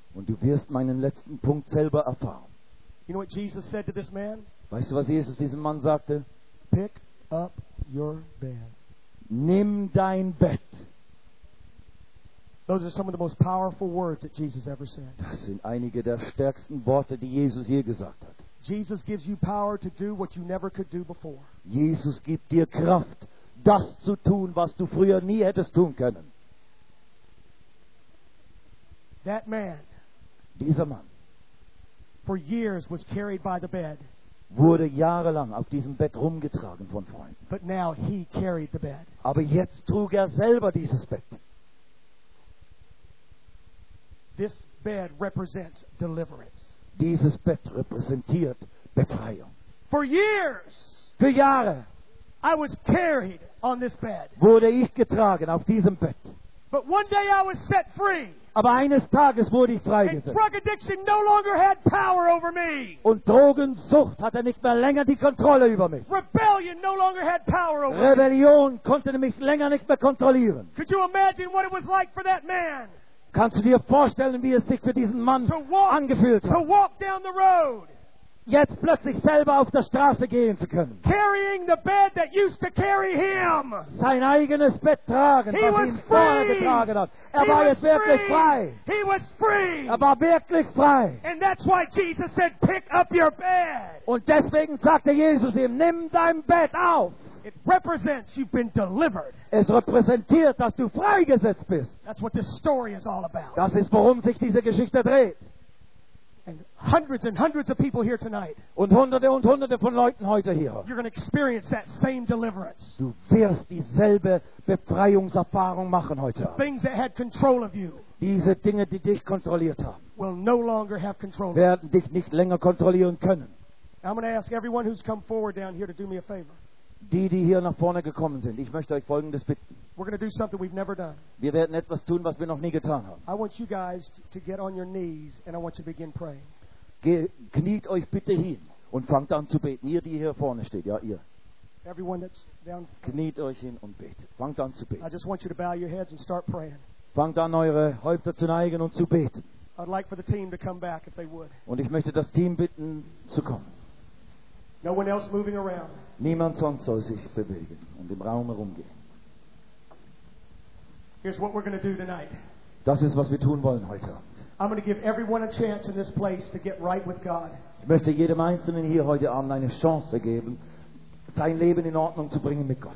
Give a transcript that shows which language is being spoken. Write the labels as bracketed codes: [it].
[de] Und du wirst meinen letzten Punkt selber erfahren. [en] You know what Jesus said to this man? [de] Weißt du, was Jesus diesem Mann sagte? [en] Pick up your bed. [de] Nimm dein Bett. [en] Those are some of the most powerful words that Jesus ever said. [de] Das sind einige der stärksten Worte, die Jesus je gesagt hat. [en] Jesus gives you power to do what you never could do before. [de] Jesus gibt dir Kraft, das zu tun, was du früher nie hättest tun können. [en] That man, [de] dieser Mann, [en] for years was carried by the bed, [de] wurde jahrelang auf diesem Bett rumgetragen von Freunden. [en] But now he carried the bed. [de] Aber jetzt trug er selber dieses Bett. [en] This bed represents deliverance. [de] Dieses Bett repräsentiert Befreiung. [en] For years, [de] für Jahre, [en] I was carried on this bed. [de] Wurde ich getragen auf diesem Bett. [en] But one day I was set free. [de] Aber eines Tages wurde ich freigesetzt. [en] And drug addiction no longer had power over me. [de] Und Drogensucht hatte nicht mehr länger die Kontrolle über mich. [en] Rebellion no longer had power over Rebellion me. [de] Konnte mich länger nicht mehr kontrollieren. [en] Could you imagine what it was like for that man? [de] Kannst du dir vorstellen, wie es sich für diesen Mann angefühlt hat? [en] To walk down the road. [de] jetzt plötzlich selber auf der Straße gehen zu können. [en] Carrying the bed that used to carry him. [de] Sein eigenes Bett tragen, [en] he [de] was ihn vorher getragen hat. Er [en] he [de] war jetzt wirklich frei. [en] He was free. [de] Er war wirklich frei. [en] And that's why Jesus said, pick up your bed. [de] Und deswegen sagte Jesus ihm, nimm dein Bett auf. [en] It represents you've been delivered. [de] Es repräsentiert, dass du freigesetzt bist. [en] That's what this story is all about. [de] Das ist, worum sich diese Geschichte dreht. [en] And hundreds of people here tonight. [de] Und hunderte von Leuten heute hier. [en] You're going to experience that same deliverance. [de] Du wirst dieselbe Befreiungserfahrung machen heute. [en] The things that had control of you. [de] Diese Dinge, die dich kontrolliert haben. [en] Will no longer have control. [de] Werden dich nicht länger kontrollieren können. [en] Now I'm going to ask everyone who's come forward down here to do me a favor. [de] Die hier nach vorne gekommen sind, ich möchte euch Folgendes bitten. [en] We're going to do something we've never done. [de] Wir werden etwas tun, was wir noch nie getan haben. [en] I want you guys to get on your knees and I want you to begin praying. [de] Kniet euch bitte hin und fangt an zu beten. Ihr, die hier vorne steht, ja, ihr. [en] Everyone that's down. [de] Kniet euch hin und betet. Fangt an zu beten. [en] I just want you to bow your heads and start praying. [de] Fangt an, eure Häupter zu neigen und zu beten. [en] I'd like for the team to come back if they would. [de] Und ich möchte das Team bitten zu kommen. [en] No one else moving around. [de] Niemand sonst soll sich bewegen und im Raum herumgehen. [en] Here's what we're going to do tonight. [de] Das ist, was wir tun wollen heute Abend. [en] I'm going to give everyone a chance in this place to get right with God. [de] Ich möchte jedem Einzelnen hier heute Abend eine Chance geben, sein Leben in Ordnung zu bringen mit Gott.